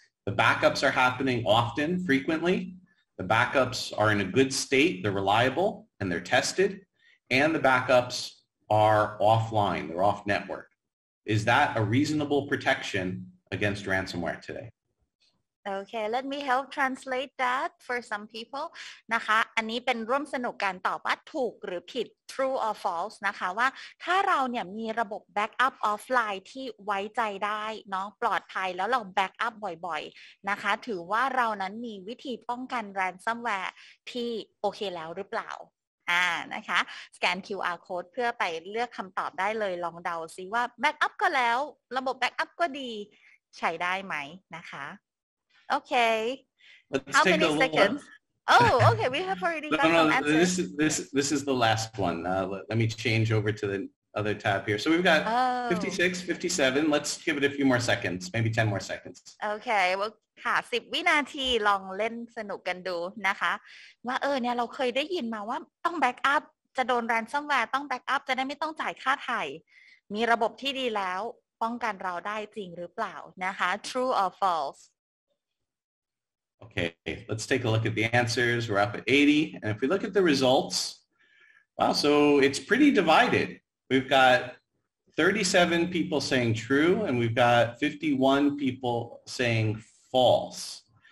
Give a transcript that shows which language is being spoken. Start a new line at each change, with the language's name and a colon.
English: The backups are happening often, frequently. The backups are in a good state, they're reliable, and they're tested. And the backups are offline, they're off network. Is that a reasonable protection against ransomware today? Okay, let me help translate that for some people.
Thai: นะคะอันนี้เป็นร่วมสนุกการตอบว่าถูกหรือผิด true or false นะคะว่าถ้าเราเนี่ยมีระบบ backup offline ที่ไว้ใจได้เนาะปลอดภัยแล้วเรา backup บ่อยๆนะคะถือว่าเรานั้นมีวิธีป้องกัน ransomware ที่โอเคแล้วหรือเปล่านะคะสแกน QR code เพื่อไปเลือกคำตอบได้เลยลองเดาซิว่า backup ก็แล้วระบบ backup ก็ดีใช้ได้ไหมนะคะOkay.
English: How many seconds? Oh, okay. We have already got some answers. This is the last one. Let me change over to the other tab here. So we've got 56, 57. Let's give it a few more seconds, maybe 10 more seconds. Okay.
Thai: Well, ค่ะ10วินาทีลองเล่นสนุกกันดูนะคะว่าเนี่ยเราเคยได้ยินมาว่าต้องแบ็กอัพจะโดนแรนซัมแวร์ต้องแบ็กอัพจะได้ไม่ต้องจ่ายค่าถ่ายมีระบบที่ดีแล้วป้องกันเราได้จริงหรือเปล่านะคะ
English: True or false? Okay, let's take a look at the answers. We're up at 80. And if we look at the results, wow, so it's pretty divided. We've got 37 people saying true, and we've got 51 people saying false.